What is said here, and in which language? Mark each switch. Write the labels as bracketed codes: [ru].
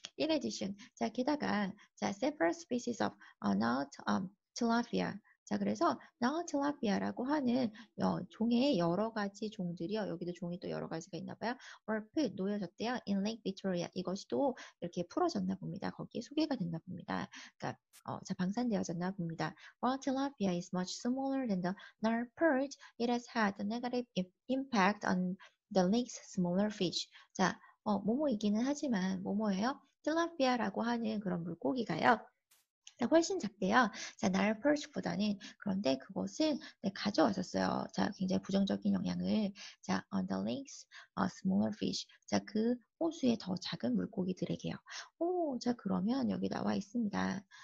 [en] In addition, [ko] 자 게다가 자 [en] several species of Nile tilapia. [ko] 자 그래서 Nile tilapia라고 하는 종의 여러 가지 종들이요. 여기도 종이 또 여러 가지가 있나 봐요. [en] Were put [ko] 놓여졌대요. [en] In Lake Victoria [ko] 이것이 또 이렇게 풀어졌나 봅니다. 거기에 소개가 됐나 봅니다. 그러니까 자 방산되어졌나 봅니다. [en] While tilapia is much smaller than the Nile perch, it has had a negative impact on the lake's smaller fish. [ko] 자, 뭐뭐이기는 하지만 뭐뭐예요? 틸라피아라고 하는 그런 물고기가요. 훨씬 작대요. 자, 나일 퍼치보다는 그런데 그것은 네, 가져왔었어요. 자, 굉장히 부정적인 영향을. [en] 자, on the lakes, smaller fish. [ko] 자, 그 호수의 더 작은 물고기들에게요. 오, 자, 그러면 여기 나와 있습니다.